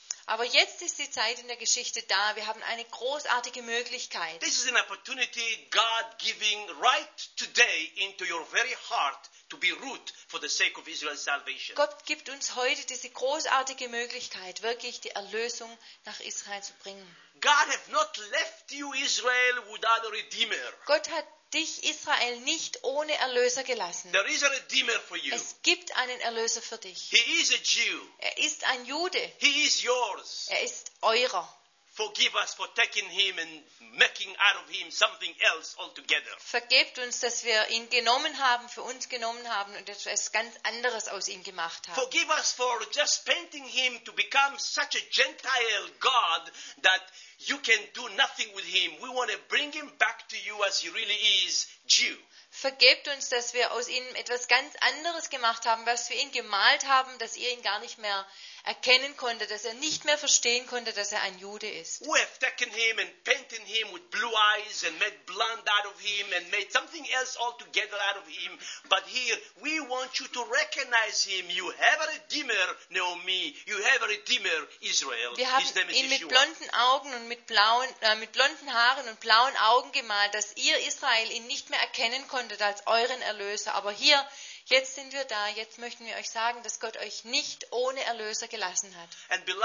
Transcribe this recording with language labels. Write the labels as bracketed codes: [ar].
[de] Aber jetzt ist die Zeit in der Geschichte da. Wir haben eine großartige Möglichkeit. [en] This is an opportunity God giving right today into your very heart to be root for the sake of Israel's salvation. [de] Gott gibt uns heute diese großartige Möglichkeit, wirklich die Erlösung nach Israel zu bringen. [en] God have not left you Israel without a Redeemer. [de] Gott hat dich Israel nicht ohne Erlöser gelassen. [en] There is a Redeemer for you. [de] Es gibt einen Erlöser für dich. [en] He is a Jew. [de] Er ist ein Jude. [en] He is yours. [de] Er ist eurer. [en] Forgive us for taking him and making out of him something else altogether. [de] Vergebt uns, dass wir ihn genommen haben, für uns genommen haben und etwas ganz anderes aus ihm gemacht haben. [en] Forgive us for just painting him to become such a Gentile God that you can do nothing with him. We want to bring him back to you as he really is, Jew. [de] Vergebt uns, dass wir aus ihm etwas ganz anderes gemacht haben, was wir ihn gemalt haben, dass ihr ihn gar nicht mehr erkennen konntet, dass er nicht mehr verstehen konnte, dass er ein Jude ist. [en] We have taken him and painted him with blue eyes and made blonde out of him and made something else altogether out of him. But here, we want you to recognize him. You have a Redeemer, Naomi. You have a Redeemer, Israel. [de] Wir haben [en] His name is [de] ihn [en] Yeshua. [de] Mit blonden Augen und mit blonden Haaren und blauen Augen gemalt, dass ihr Israel ihn nicht mehr erkennen konntet als euren Erlöser. Aber hier, jetzt sind wir da, jetzt möchten wir euch sagen, dass Gott euch nicht ohne Erlöser gelassen hat.